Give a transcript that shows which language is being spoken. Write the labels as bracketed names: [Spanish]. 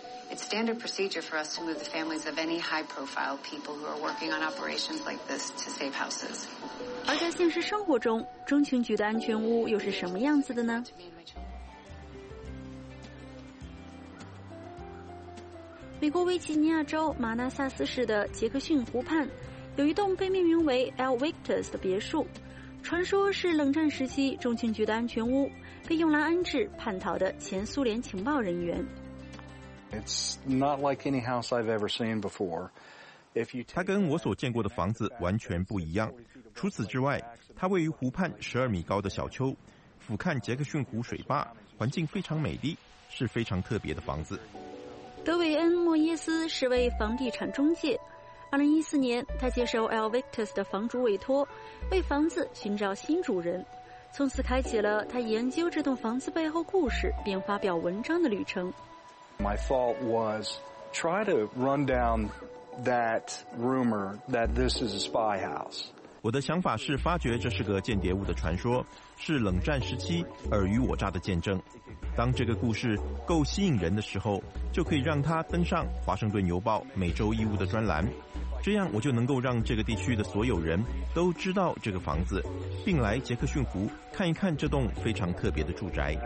[English] It's standard procedure for us to move the families of any high-profile people who are working on operations like this to safe houses. [Chinese] 而在现实生活中，中情局的安全屋又是什么样子的呢？美国维吉尼亚州马纳萨斯市的杰克逊湖畔，有一栋被命名为 El Victus 的别墅，传说是冷战时期中情局的安全屋，被用来安置叛逃的前苏联情报人员。 [English] It's not like any house I've ever seen before. [Chinese] 它跟我所见过的房子完全不一样。除此之外，它位于湖畔12米高的小丘，俯瞰杰克逊湖水坝，环境非常美丽，是非常特别的房子。德韦恩·莫耶斯是位房地产中介。2014年，他接受 El Victus 的房主委托，为房子寻找新主人，从此开启了他研究这栋房子背后故事并发表文章的旅程。 [English] My fault was try to run down that rumor that this is a spy house. [Chinese] 我的想法是发掘这是个间谍屋的传说，是冷战时期尔虞我诈的见证。当这个故事够吸引人的时候，就可以让它登上《华盛顿邮报》每周一屋的专栏，这样我就能够让这个地区的所有人都知道这个房子，并来杰克逊湖看一看这栋非常特别的住宅。